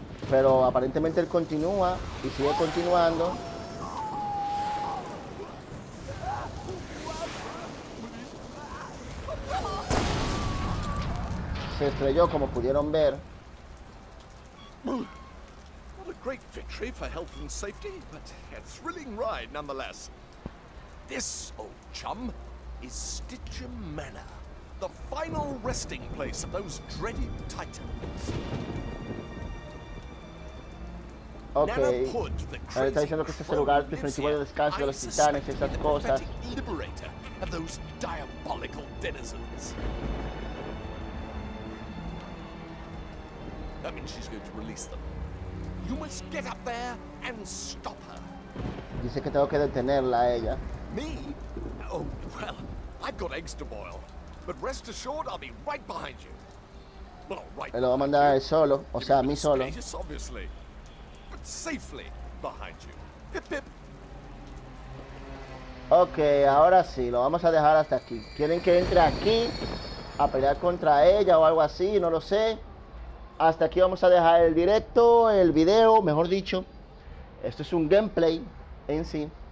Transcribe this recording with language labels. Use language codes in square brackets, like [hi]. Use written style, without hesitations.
[es] Pero aparentemente él continúa y sigue continuando. Se estrelló, como pudieron ver. [en] Not a great victory for health and safety, but a thrilling ride nonetheless. This old chum is Stitcher Manor, the final resting place of those dreaded titans. Okay. [es] Ahora está diciendo que este es el lugar definitivo de descanso de los titanes y esas cosas. [en] Liberator of those diabolical denizens. That means she's going to release them. You must get up there and stop her. [es] Dice que tengo que detenerla a ella. [en] Me? Oh, well, I've got eggs to boil. But rest assured, I'll be right behind you. Well, right. [es] Lo va a mandar él solo, o sea, a mí solo. [en] Safely behind you. Pip, pip, [es] Ok, ahora sí, lo vamos a dejar hasta aquí. ¿Quieren que entre aquí a pelear contra ella o algo así? No lo sé. Hasta aquí vamos a dejar el directo, el video, mejor dicho. Esto es un gameplay en sí.